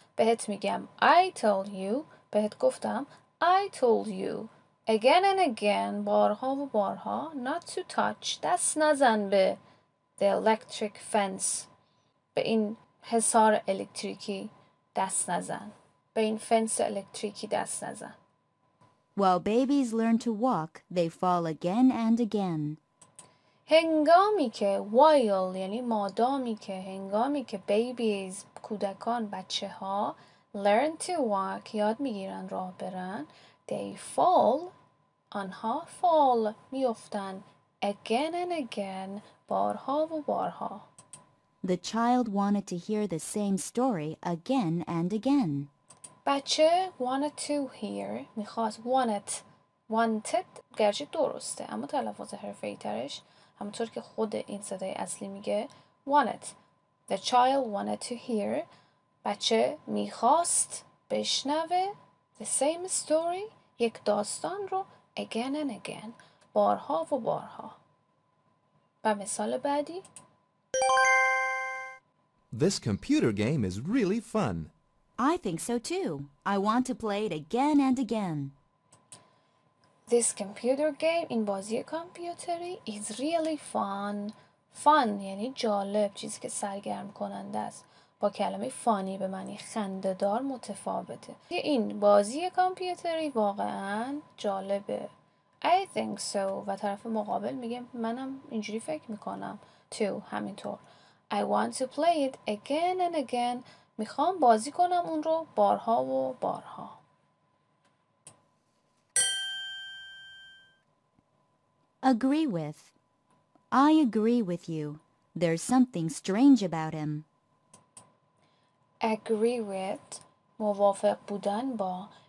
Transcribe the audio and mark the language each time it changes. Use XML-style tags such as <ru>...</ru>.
<fa>بهت میگم</fa> <en>I told you</en> <fa>بهت گفتم</fa> <en>I told you again and again</en> <fa>بارها و بارها</fa> <en>not to touch</en> <fa>دست نزن به</fa> <en>the electric fence</en> <fa>به این حصار الکتریکی دست نزن به این فنس الکتریکی دست نزن.</fa> <en>While babies learn to walk they fall again and again.</en> <fa>هنگامی که while یعنی مادامی که هنگامی که babies کودکان بچه ها</fa> <en>learn to walk</en> <fa>یاد میگیرن راه برن</fa> <en>they fall</en> <fa>آنها fall میفتن</fa> <en>again and again</en> <fa>بارها و بارها.</fa> <en>The child wanted to hear the same story again and again.</en> <fa>بچه</fa> <en>wanted to hear</en> <fa>میخواست wanted گرچه درسته اما تلفظ حرفه ای ترش همونطور که خود این صدای اصلی میگه wanted.</fa> <en>The child wanted to hear.</en> <fa>بچه میخواست بشنوه</fa> <en>the same story</en> <fa>یک داستان رو</fa> <en>again and again</en> <fa>بارها و بارها. و مثال بعدی.</fa> <en>This computer game is really fun. I think so too. I want to play it again and again. This computer game</en> <fa>این بازی کامپیوتری</fa> <en>is really fun.</en> <fa>Fun یعنی جالب، چیزی که سرگرم کننده است. با کلمه فانی به معنی خنددار متفاوته. این بازی کامپیوتری واقعا جالبه.</fa> <en>I think so.</en> <fa>و طرف مقابل میگه منم اینجوری فکر میکنم. To همینطور.</fa> <en>I want to play it again and again.</en> <fa>میخوام بازی کنم اون رو بارها و بارها.</fa> <en>Agree with. I agree with you. There's something strange about him.</en> <fa>Agree with. موافق بودن با.</fa>